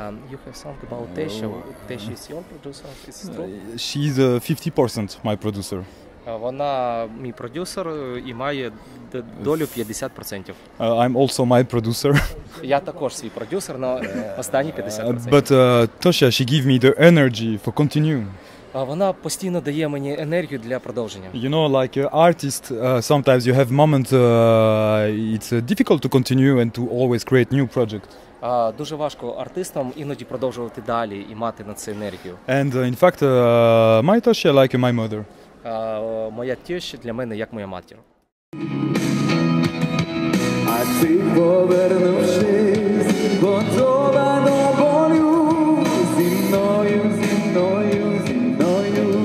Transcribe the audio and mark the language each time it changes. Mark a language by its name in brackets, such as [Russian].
[English] You have song about Tesha. Tesha is your producer? She's 50% my producer. [Ukrainian] Вона мій продюсер і має долю 50%. [English] I'm also my producer. [Ukrainian] Я також свій продюсер, але останні 50%. [English] But Tosha, she gave me the energy for continue. [Ukrainian] Вона постійно дає мені енергію для продовження. [English] You know, like artist, sometimes you have moments, it's difficult to continue and to always create new project. [Ukrainian] Дуже важко артистам іноді продовжувати далі і мати на це енергію. [English] And in fact, my Tosha like my mother. [Ukrainian] Моя теща для мене як моя матір. А ти повернувшись, бо зола до болю зі мною, зі мною.